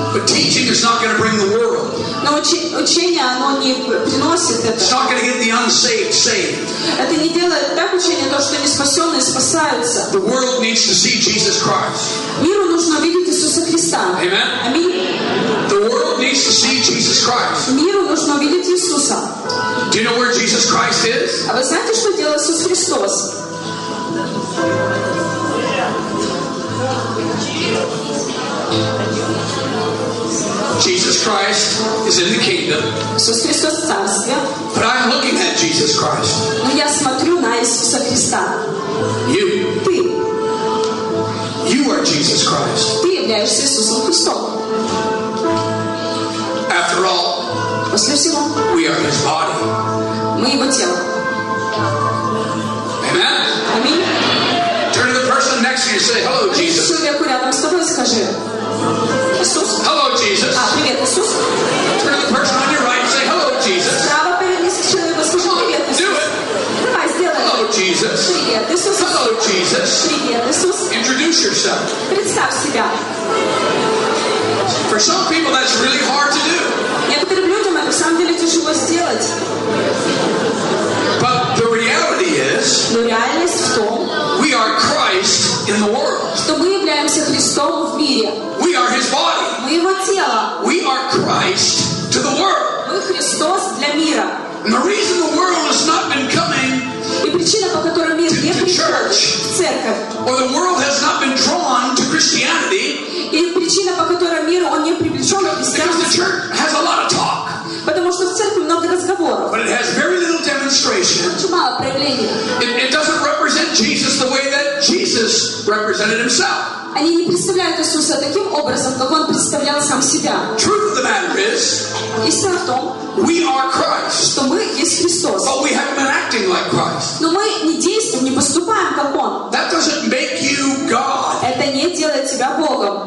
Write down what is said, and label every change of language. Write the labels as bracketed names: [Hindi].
[English] But teaching is not going to bring the world. [Russian] Но учение, оно не приносит это. [English] It's not going to get the unsaved saved. [Russian] Это не делает так учение, то, что неспасенные спасаются. [English] The world needs to see Jesus Christ. [Russian] Миру нужно видеть Иисуса Христа. [English] Amen. [Russian] Аминь. [English] The world needs to see Jesus Christ. [Russian] Миру нужно видеть Иисуса. [English] Do you know where Jesus Christ is? [Russian] А вы знаете, что делал Иисус Христос? [English] Jesus Christ is in the kingdom. [Russian] Иисус Христос в царстве. [English] But I'm looking at Jesus Christ. [Russian] Но я смотрю на Иисуса Христа. [English] You. [Russian] Ты. [English] You are Jesus Christ. [Russian] Ты являешься Иисусом Христом. [English] After all, [Russian] после всего, [English] we are His body. [Russian] Мы Его тело. [English] Amen. [Russian] Аминь. [English] Turn to the person next to you and say, "Hello, Jesus." [Russian] Человеку рядом с тобой скажи. Иисус. [English] Hello, Jesus. [Russian] А, привет, Иисус. [English] Turn to the person on your right and say, "Hello, Jesus." [Russian] Справа перед ним человеку скажи, привет, Иисус. [English] Do it. [Russian] Давай, сделай. [English] Hello, Jesus. [Russian] Привет, Иисус. [English] Hello, Jesus. [Russian] Привет, Иисус. [English] Introduce yourself. [Russian] Представь себя. [English] For some people, that's really hard to do. [Russian] Некоторым людям это в самом деле тяжело сделать. [English] But the reality is, [Russian] но реальность в том, [English] we are Christ in the world. [Russian] Что мы являемся Христом в мире. [English] We are His body. [Russian] Мы Его тело. [English] We are Christ to the world. [Russian] Мы [English] And the reason the world has not been coming to church, or the world has not been drawn to Christianity, because the church has a lot of talk, but it has very little demonstration. It doesn't represent Jesus the way that Jesus represented himself. [Russian] Они не представляют Иисуса таким образом, как Он представлял Сам Себя. [English] Truth of the matter is, [Russian] истина в том, [English] we are Christ, [Russian] что мы есть Христос. [English] But we haven't been acting like Christ. [Russian] Но мы не действуем, не поступаем, как Он. [English] That doesn't make you God. [Russian] Это не делает тебя Богом.